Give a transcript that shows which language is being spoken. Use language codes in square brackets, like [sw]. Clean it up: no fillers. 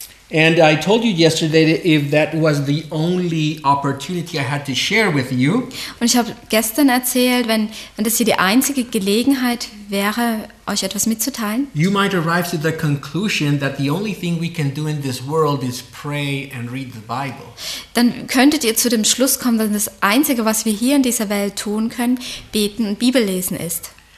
[en] And I told you yesterday that if that was the only opportunity I had to share with you. [de] Und ich habe gestern erzählt, wenn das hier die einzige Gelegenheit wäre, euch etwas mitzuteilen. [en] You might arrive to the conclusion that the only thing we can do in this world is pray and read the Bible. [de] Dann könntet ihr zu dem Schluss kommen, dass das Einzige, was wir hier in dieser Welt tun können, beten und Bibel lesen ist.